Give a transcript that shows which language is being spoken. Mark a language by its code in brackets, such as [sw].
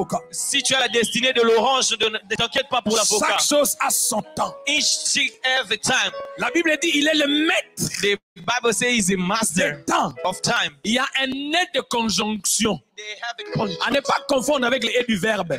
[fr] Si tu as la destinée de l'orange, ne t'inquiète pas pour l'avocat. Chaque chose a son temps. [en] Each thing every time. [fr] La Bible dit il est le maître. [en] The Bible says he's a master of time. [fr] Il y a un nœud de conjonction. À ne pas confondre avec les et du verbe.